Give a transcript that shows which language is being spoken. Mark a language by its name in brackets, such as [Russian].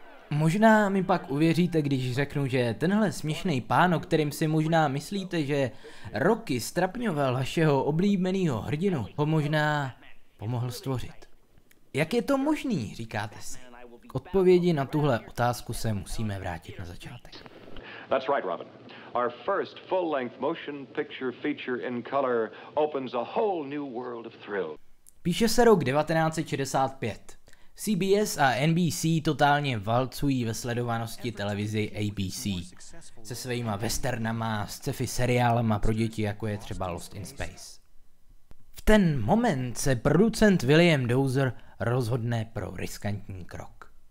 [Czech] Možná mi pak uvěříte, když řeknu, že tenhle směšný pán, o kterým si možná myslíte, že roky strapňoval vašeho oblíbeného hrdinu, ho možná pomohl stvořit. Jak je to možný, říkáte si? K odpovědi na tuhle otázku se musíme vrátit na začátek. [English] That's right, Robin. Our first full-length motion picture feature in color opens a whole new world of thrill. [Czech] Píše se rok 1965. CBS a NBC totálně valcují ve sledovanosti televizi ABC se svýma westernama, sci-fi seriálama pro děti, jako je třeba Lost in Space. V ten moment se producent William Dozer rozhodne pro riskantní krok.